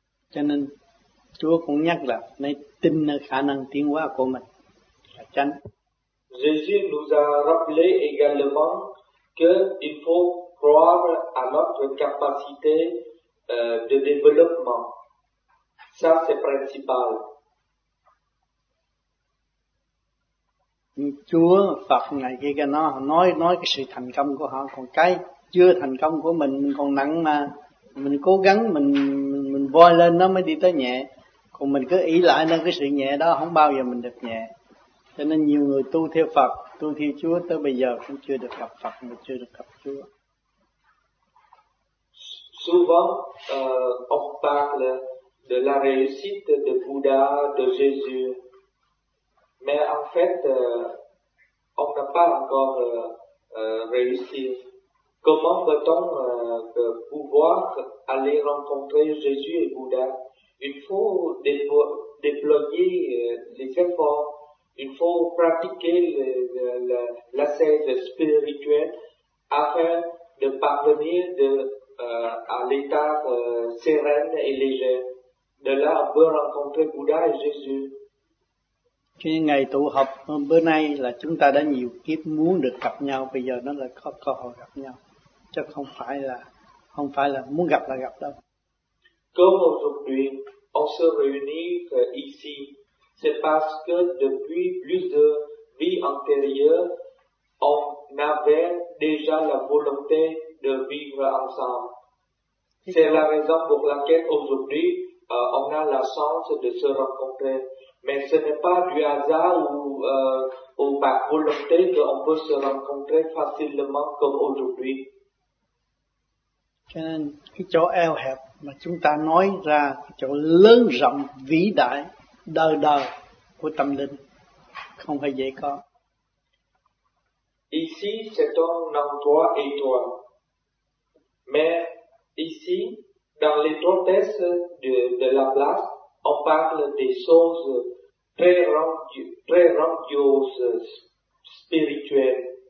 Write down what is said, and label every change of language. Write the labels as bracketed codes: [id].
[vi] Cho nên Chúa cũng nhắc là nên tin nơi khả năng tiến hóa của mình là chánh. [fr] Jésus nous a rappelé également qu'il faut croire à notre capacité de développement. Ça, c'est principal. [vi] Chúa Phật ngày kia cái nói cái sự thành công của họ, còn cái chưa thành công của mình còn nặng mà mình cố gắng mình voi lên nó mới đi tới nhẹ. Còn mình cứ ỷ lại nơi cái sự nhẹ đó, không bao giờ mình được nhẹ. Cho nên nhiều người tu theo Phật, tu theo Chúa, tới bây giờ cũng chưa được gặp Phật, mà chưa được gặp Chúa. [fr] Souvent, on parle de la réussite de Bouddha, de Jésus. Mais en fait, on n'a pas encore réussi. Comment peut-on pouvoir aller rencontrer Jésus et Bouddha? Il faut déployer les efforts. Il faut pratiquer l'ascèse spirituelle afin de parvenir à l'état serein et léger. De là, on peut rencontrer Bouddha et Jésus. [vi] Cái ngày tụ họp bữa nay là chúng ta đã nhiều kiếp muốn được gặp nhau, bây giờ nó là có cơ hội gặp nhau, chứ không phải là muốn gặp là gặp đâu. [fr] Comme aujourd'hui, on se réunit ici, c'est parce que depuis plusieurs vies antérieures, on avait déjà la volonté de vivre ensemble. C'est la raison pour laquelle aujourd'hui, on a la chance de se rencontrer. Mais ce n'est pas du hasard ou par volonté qu'on peut se rencontrer facilement comme aujourd'hui. [vi] Cho nên cái chỗ eo hẹp mà chúng ta nói ra, cái chỗ lớn rộng vĩ đại đời đời của tâm linh không phải dễ có. [fr] Ici c'est un endroit étroit, mais ici dans l'étroitesse de la place, on parle des choses très grandioses spirituelles.